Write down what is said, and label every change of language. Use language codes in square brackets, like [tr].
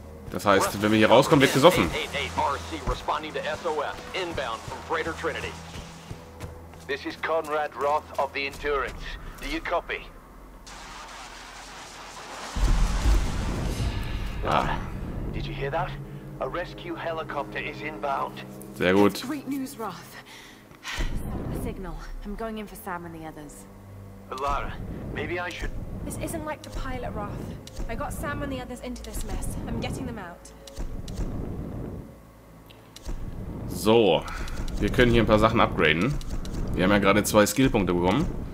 [de] Das heißt, wenn wir hier rauskommen, wird gesoffen. [en] RC responding to SOS inbound from Freighter Trinity. This is Conrad Roth of the Endurance. Do you copy? Ah. Did you hear that? A rescue helicopter is inbound. [de] Sehr gut. [en] Great news, Roth. Send a signal. I'm going in for Sam and the others. Lara, maybe I should. This isn't like the pilot, Roth. I got Sam and the others into this mess. I'm getting them out. [de] So, wir können hier ein paar Sachen upgraden. Wir haben ja gerade 2 Skillpunkte bekommen.